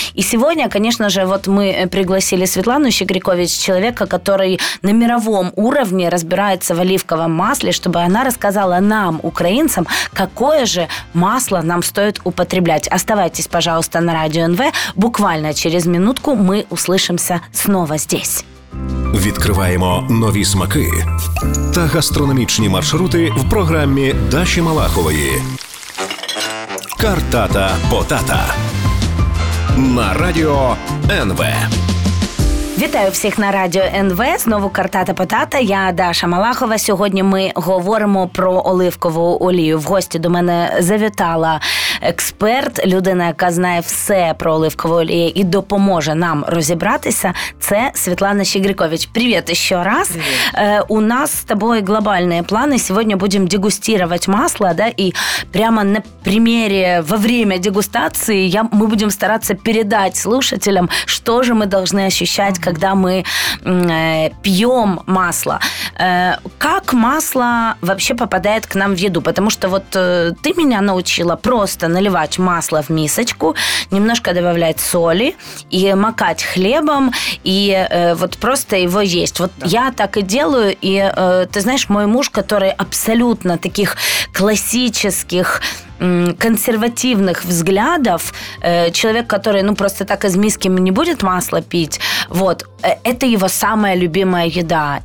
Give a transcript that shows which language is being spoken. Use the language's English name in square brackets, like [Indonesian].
[Russian] И сегодня, конечно же, вот мы пригласили Светлану Щегрикович, человека, который на мировом уровне разбирается в оливковом масле, чтобы она рассказала нам, украинцам, какое же масло нам стоит употреблять. Оставайтесь, пожалуйста, на Радио НВ. Буквально через минутку мы услышимся снова здесь. [Ukrainian] Відкриваємо нові смаки та гастрономічні маршрути в програмі Даші Малахової. Картата потата на радіо НВ. Вітаю всіх на радіо НВ. Знову «Картата Потата». Я Даша Малахова. Сьогодні ми говоримо про оливкову олію. В гості до мене завітала експерт, людина, яка знає все про оливкову олію і допоможе нам розібратися. Це Світлана Щегрикович. Привіт ще раз. [Russian] Привет. [Ukrainian] У нас з тобою глобальні плани. Сьогодні будемо дегустувати масло, да, і прямо на примірі, [Russian] во время [Ukrainian] дегустації, ми будемо старатися передати [Russian] слушателям, [Ukrainian] що ж ми повинні відчувати, [Russian] когда мы пьем масло. Как масло вообще попадает к нам в еду? Потому что вот ты меня научила просто наливать масло в мисочку, немножко добавлять соли и макать хлебом, и вот просто его есть. Вот да. Я так и делаю, и ты знаешь, мой муж, который абсолютно таких классических, консервативных взглядов, человек, который, ну, просто так из миски не будет масло пить, вот, это его самая любимая еда.